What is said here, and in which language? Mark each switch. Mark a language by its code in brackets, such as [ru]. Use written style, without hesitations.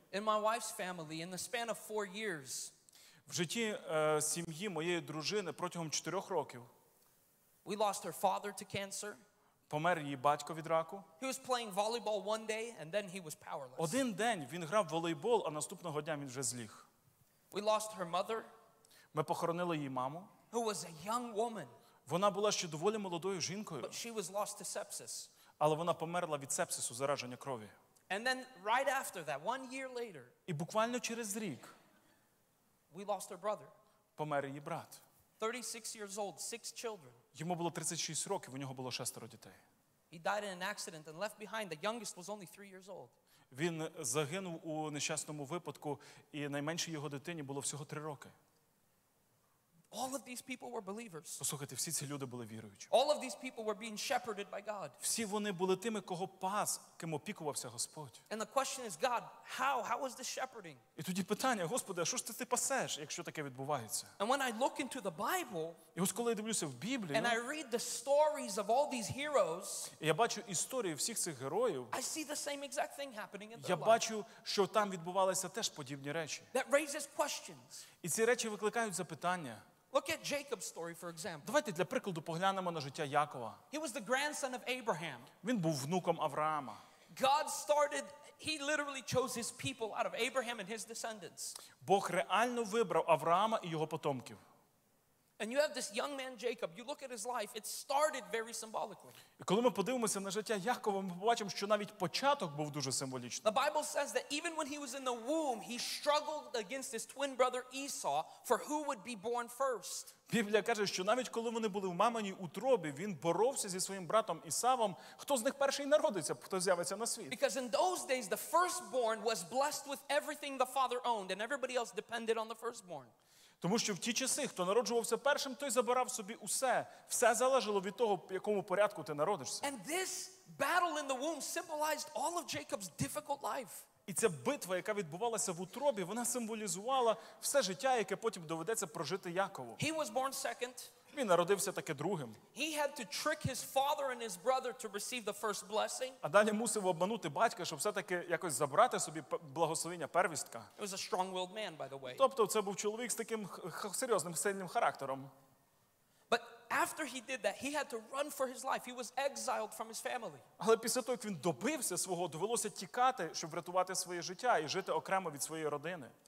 [en] In my wife's family, in the span of 4 years. [uk] В житті сім'ї моєї дружини протягом 4 років. [en] We lost her father to cancer. [uk] Помер її батько від раку. [en] He was playing volleyball one day and then he was powerless. [uk] Один день він грав в волейбол, а наступного дня він вже зліг. [en] We lost her mother. [uk] Ми похоронили її маму. [en] Who was a young woman. [uk] Вона була ще доволі молодою жінкою. [en] But she was lost to sepsis. [uk] Але вона померла від сепсису, зараження крові. [en] And then right after that, 1 year later. [uk] І буквально через рік. [en] We lost her brother. [uk] Помер її брат. [en] 36 years old, 6 children. [uk] Йому було 36 років, у нього було 6 дітей. [en] He died in an accident and left behind. The youngest was only 3 years old. [uk] Він загинув у нещасному випадку, і найменшій його дитині було всього 3 роки. [en] All of these people were believers. [uk] Послухайте, всі ці люди були віруючі. [en] All of these people were being shepherded by God. [uk] Всі вони були тими, кого пас, ким опікувався Господь. [en] And the question is, God, how was the shepherding? [uk] І тоді питання: Господи, а що ж ти пасеш, якщо таке відбувається? [en] And when I look into the Bible, [uk] і ось коли я дивлюся в Біблію, [en] and I read the stories of all these heroes, [uk] я бачу історії всіх цих героїв, [en] I see the same exact thing happening in their life. [uk] Я бачу, що там відбувалися теж подібні речі. [en] That raises questions. [uk] І ці речі викликають запитання. [en] Look at Jacob's story, for example. [uk] Давайте для прикладу поглянемо на життя Якова. [en] He was the grandson of Abraham. [uk] Він був внуком Авраама. [en] God started, he literally chose his people out of Abraham and his descendants. [uk] Бог реально вибрав Авраама і його потомків. [en] And you have this young man Jacob, you look at his life, it started very symbolically. [uk] І коли ми подивимося на життя Якова, ми побачимо, що навіть початок був дуже символічний. [en] The Bible says that even when he was in the womb, he struggled against his twin brother Esau for who would be born first. [uk] Біблія каже, що навіть коли вони були в маминій утробі, він боровся зі своїм братом Ісавом, хто з них перший народиться, хто з'явиться на світ. [en] Because in those days the firstborn was blessed with everything the father owned and everybody else depended on the firstborn. [uk] Тому що в ті часи, хто народжувався першим, той забирав собі усе. Все залежало від того, в якому порядку ти народишся. [en] And this battle in the womb symbolized all of Jacob's difficult life. [uk] І ця битва, яка відбувалася в утробі, вона символізувала все життя, яке потім доведеться прожити Якову. [en] He was born second. [uk] Він народився таке другим. [en] He had to trick his father and his brother to receive the first blessing. [uk] А далі мусив обманути батька, щоб все-таки якось забрати собі благословення первістка. [en] He was a strong-willed man, by the way. [uk] Тобто це був чоловік з таким серйозним, сильним характером. [en] But after he did that, he had to run for his life. He was exiled from his family. [uk] Але після того, як він добився свого, довелося тікати, щоб врятувати своє життя і жити окремо від своєї родини.